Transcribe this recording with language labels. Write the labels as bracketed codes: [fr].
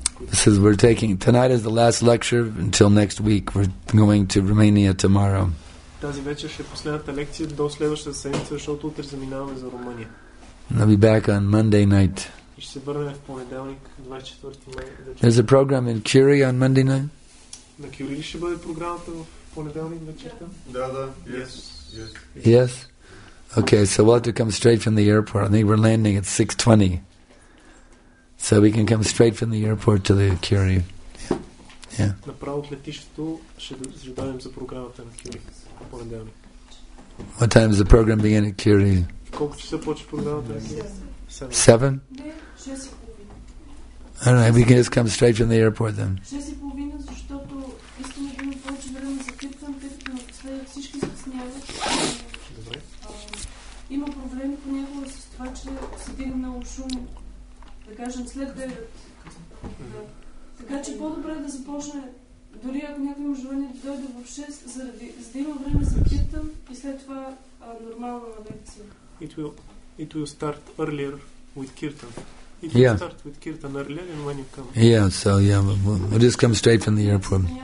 [en] This is we're taking tonight is the last lecture until next week. We're going to Romania tomorrow. [bg] Тази вечер ще е последната лекция до следващата седмица, защото утре заминаваме за Румъния. [en] I'll be back on Monday night. [bg] Ще се върнем в понеделник, 24 май. [en] There's a program in Curie on Monday night. [bg] На Кюри ще бъде програмата в понеделник вечерта? Да. [en] Yes. Yes. Okay, so we'll have to come straight from the airport. I think we're landing at 6:20. So we can come straight from the airport to the Curie. [bg] Направо от летището ще заждаем за програмата на Curie понеделник. [en] What time does the program begin at Curie? [bg] Колко часа почва програмата? [en] 7? I don't know, we can just come straight from the airport then. [bg] 6:30, защото искам да имам повече време за питам, тъй като всички се сняват. Добре. Има проблеми понякога с това, че се дигна много шум. Да кажем след 9. Да. Така че по-добре е да започне, дори ако някой има желание да дойде в 6, заради за да има време за питам и след това нормална лекция. [en] It will start earlier with Kirtan. If you start with Kirtan earlier and when you come. Yeah, so yeah, we'll just come straight from the airport.